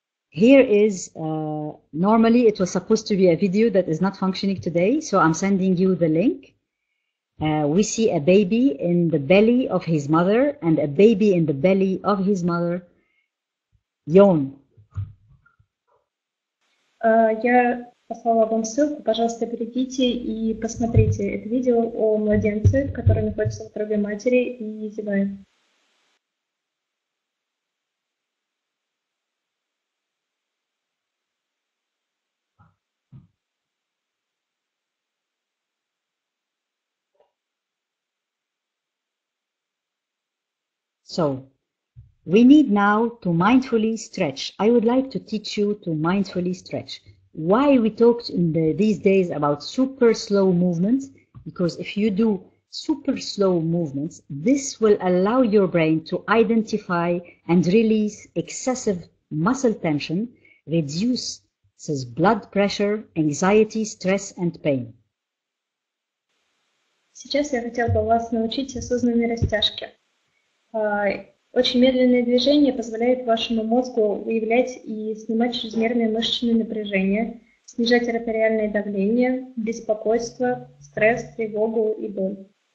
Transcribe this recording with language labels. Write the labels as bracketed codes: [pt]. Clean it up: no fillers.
[en] Here is, normally it was supposed to be a video that is not functioning today, so I'm sending you the link. We see a baby in the belly of his mother and a baby in the belly of his mother yawn. [ru] Я послала вам ссылку. Пожалуйста, перейдите и посмотрите это видео о младенце, который находится в утробе матери и зевает. [en] So, we need now to mindfully stretch. I would like to teach you to mindfully stretch. Why we talked in these days about super slow movements? Because if you do super slow movements, this will allow your brain to identify and release excessive muscle tension, reduce says blood pressure, anxiety, stress, and pain. [ru] Сейчас я хотела бы вас научить осознанной растяжке. Очень медленное движение позволяет вашему мозгу выявлять и снимать чрезмерные мышечные напряжения, снижать артериальное давление, беспокойство, стресс, тревогу и боль.